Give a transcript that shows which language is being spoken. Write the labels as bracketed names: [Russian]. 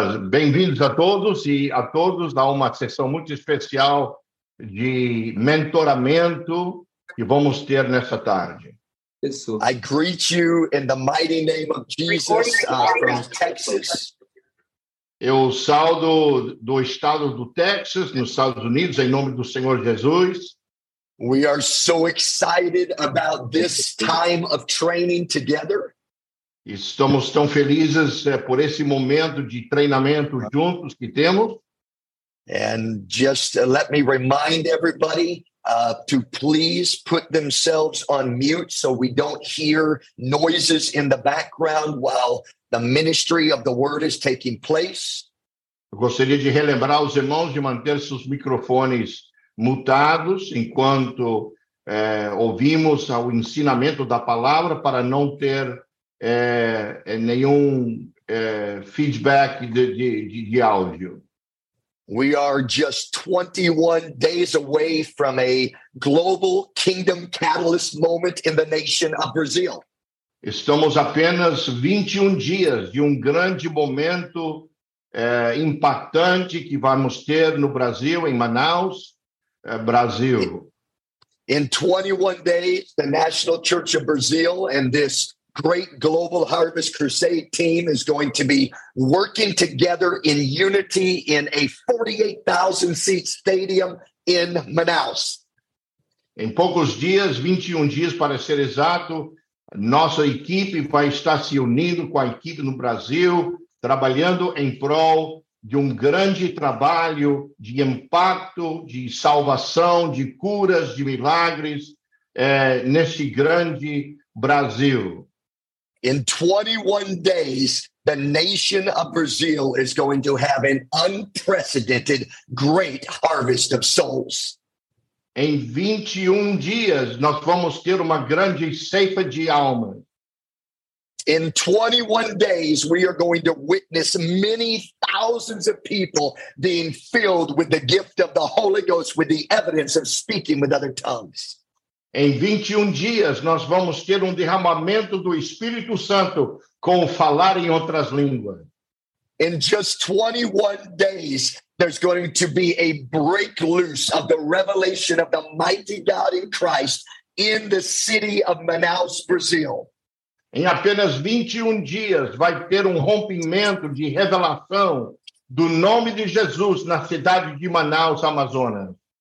[Portuguese] Bem-vindos a todos e a todos a uma sessão muito especial de mentoramento que vamos ter nessa tarde. [English] I greet you in the mighty name of Jesus from Texas. [Portuguese] Eu saúdo do estado do Texas, nos Estados Unidos, em nome do Senhor Jesus. [English] We are so excited about this time of training together. [Portuguese] Estamos tão felizes por esse momento de treinamento juntos que temos. [English] And just let me remind everybody to please put themselves on mute so we don't hear noises in the background while the ministry of the word is taking place. [Portuguese] Eu gostaria de relembrar os irmãos de manter seus microfones mutados enquanto ouvimos o ensinamento da palavra para não ter nenhum feedback de áudio. [English] We are just 21 days away from a global kingdom catalyst moment in the nation of Brazil. [Portuguese] Estamos apenas 21 dias de grande momento impactante que vamos ter no Brasil, em Manaus, Brasil. [English] In 21 days, the National Church of Brazil and this great Global Harvest Crusade team is going to be working together in unity in a 48,000-seat stadium in Manaus. [Portuguese] Em poucos dias, 21 dias para ser exato, nossa equipe vai estar se unindo com a equipe no Brasil, trabalhando em prol de grande trabalho de impacto, de salvação, de curas, de milagres neste grande Brasil. [English] In 21 days, the nation of Brazil is going to have an unprecedented great harvest of souls. [Portuguese] Em 21 dias, nós vamos ter uma grande ceifa de almas. [English] In 21 days, we are going to witness many thousands of people being filled with the gift of the Holy Ghost with the evidence of speaking with other tongues. [Portuguese] Em 21 dias, nós vamos ter derramamento do Espírito Santo com falar em outras línguas. [English] In just 21 days, there's going to be a break loose of the revelation of the mighty God in Christ in the city of Manaus, Brazil. [Portuguese] Em apenas 21 dias, vai ter rompimento de revelação do nome de Jesus na cidade de Manaus, Amazonas.